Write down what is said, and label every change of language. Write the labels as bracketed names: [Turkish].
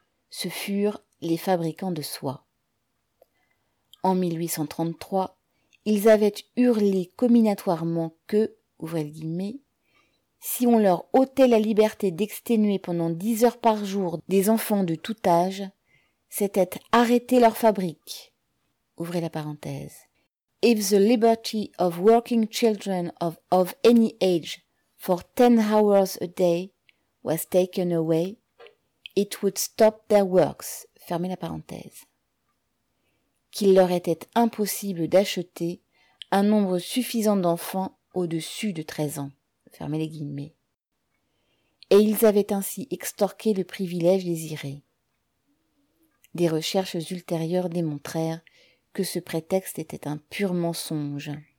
[French] Ce furent les fabricants de soie. En 1833, ils avaient hurlé combinatoirement que, ouvrez les guillemets, si on leur ôtait la liberté d'exténuer pendant 10 heures par jour des enfants de tout âge, c'était arrêter leur fabrique. Ouvrez la parenthèse. [English] If the liberty of working children of any age for 10 hours a day was taken away, it would stop their works. [French] Fermez la parenthèse. Qu'il leur était impossible d'acheter un nombre suffisant d'enfants au-dessus de 13 ans. Fermez les guillemets. Et ils avaient ainsi extorqué le privilège désiré. Des recherches ultérieures démontrèrent que ce prétexte était un pur mensonge.